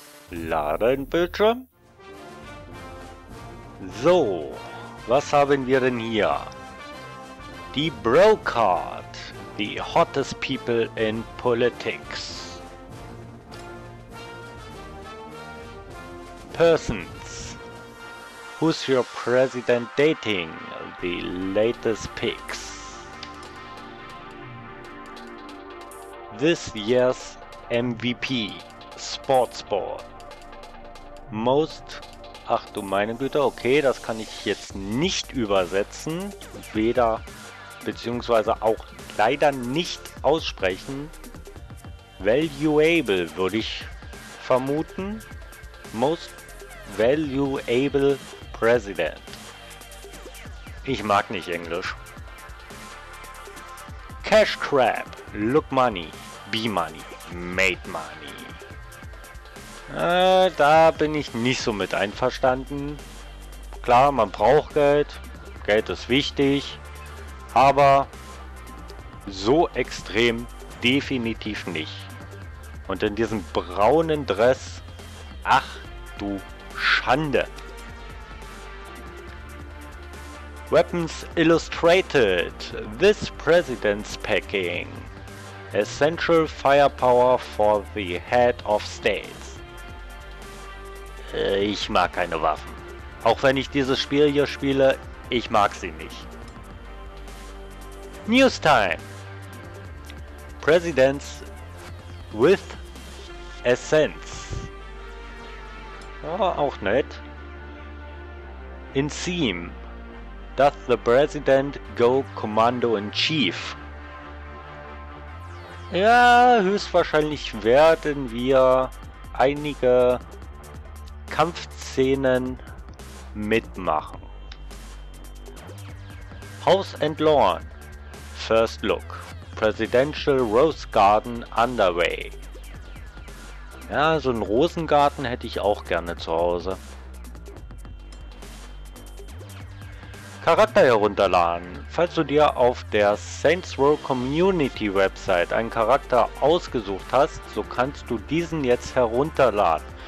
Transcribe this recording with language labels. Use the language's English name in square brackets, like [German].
[German] Ladebildschirm. So, was haben wir denn hier? [English] Die Brocard, the hottest people in politics. Persons. Who's your president dating? The latest pics. This year's MVP, Sportsball. [German] Most, ach du meine Güte, okay, das kann ich jetzt nicht übersetzen, weder, beziehungsweise auch leider nicht aussprechen. Valuable würde ich vermuten. [English] Most valuable President. [German] Ich mag nicht Englisch. [English] Cash Crab, Look Money, Be Money, Made Money. [German] Da bin ich nicht so mit einverstanden. Klar, man braucht Geld. Geld ist wichtig. Aber so extrem definitiv nicht. Und in diesem braunen Dress, ach du Schande. [English] Weapons Illustrated. This President's Packing. Essential Firepower for the Head of States. [German] Ich mag keine Waffen. Auch wenn ich dieses Spiel hier spiele, ich mag sie nicht. [English] News Time. Presidents with Essence. [German] Ja, auch nett. [English] In Seam. Does the President go Commando in Chief? [German] Ja, höchstwahrscheinlich werden wir einige Kampfszenen mitmachen. [English] House and Lawn. First Look. Presidential Rose Garden underway. [German] Ja, so einen Rosengarten hätte ich auch gerne zu Hause. Charakter herunterladen. Falls du dir auf der Saints Row Community Website einen Charakter ausgesucht hast, so kannst du diesen jetzt herunterladen.